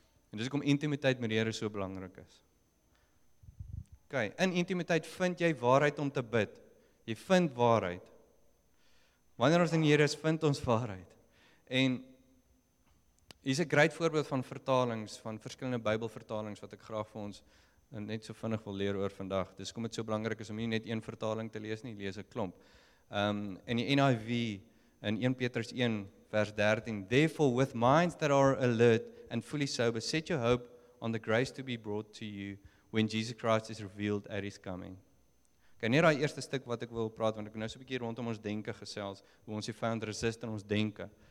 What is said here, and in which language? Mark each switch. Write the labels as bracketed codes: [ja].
[af] En dis hoekom intimiteit met die Here so belangrik is. OK, in intimiteit vind jy waarheid om te bid. Jy vind waarheid. Wanneer ons in die Here is, vind ons waarheid. En hier is 'n great voorbeeld van vertalings, van verskillende Bybelvertalings wat ek graag vir ons net so vinnig wil leer oor vandag. Dis kom dit so belangrik is om nie net een vertaling te lees nie, lees 'n klomp. In die NIV, in 1 Petrus 1 vers 13, [en] Therefore, with minds that are alert and fully sober, set your hope on the grace to be brought to you when Jesus Christ is revealed at his coming. [af] Okay, net daai eerste stuk wat ek wil praat, want ek nou so 'n bietjie rondom ons denke gesels, hoe ons die vyand resist in ons denke.